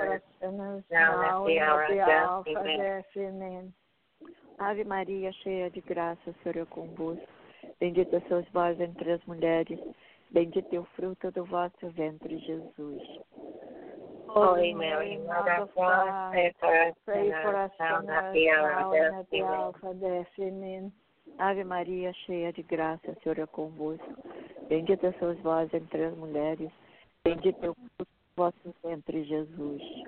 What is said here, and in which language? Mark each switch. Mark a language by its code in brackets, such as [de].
[en] Mother of God, pray for us sinners now and at the hour of death. [pt] Amen. Ave Maria, cheia de graça, o Senhor é convosco. Bendita sois vós entre as mulheres. Bendito é o fruto do vosso ventre, Jesus. [en] Holy Mary, Mother of God, pray for us sinners now and at the hour of death. Amen. [pt] Ave Maria, cheia de graça, o Senhor é convosco. Bendita sois vós entre as mulheres. Bendito é o fruto do vosso ventre, Jesus.